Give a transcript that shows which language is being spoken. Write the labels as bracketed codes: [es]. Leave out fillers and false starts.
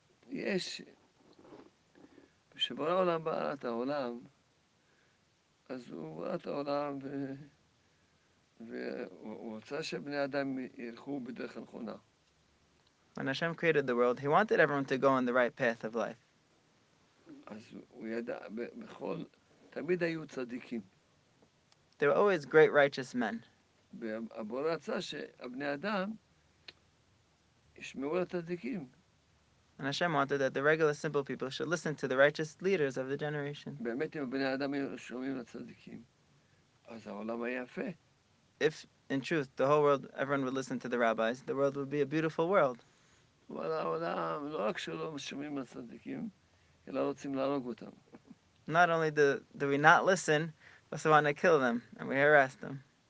[en] Yes, [he] כשבורא העולם ברא את העולם, אז הוא ברא את העולם והוא רוצה שבני אדם ילכו בדרך הנכונה. [en] When Hashem created the world, he wanted everyone to go on the right path of life. [he] אז הוא ידע, בכל, תמיד היו צדיקים. [en] There were always great righteous men. [he] והבורא רצה שהבני אדם ישמעו לצדיקים. [en] And Hashem wanted that the regular simple people should listen to the righteous leaders of the generation. [he] באמת אם הבני אדם היו שומעים לצדיקים, אז העולם היה יפה. [en] If, in truth, the whole world, everyone would listen to the rabbis, the world would be a beautiful world. [he] אבל העולם לא רק שלא שומעים לצדיקים, אלא רוצים להרוג אותם. [en] Not only do we not listen, but we want to kill them, and we harass them.